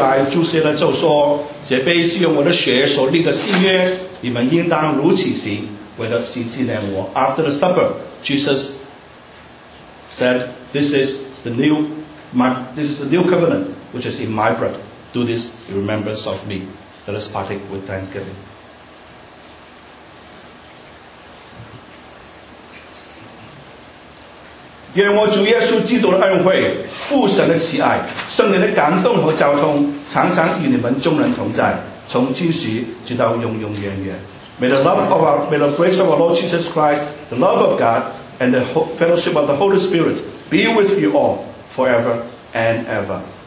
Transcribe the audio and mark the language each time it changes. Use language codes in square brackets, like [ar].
[zh] 祝谢了就说，这杯是用我的血所立的新约，你们应当如此行，为了是纪念我。 [en] After the supper, Jesus said, This is the new covenant, which is in my blood. Do this in remembrance of me. Let us partake with thanksgiving. [zh] 愿我主耶稣基督的恩惠、父神的慈爱、圣灵的感动和交通，常常与你们众人同在，从今时直到永永远远。 [en] May the grace of our Lord Jesus Christ, the love of God, and the fellowship of the Holy Spirit be with you all forever and ever.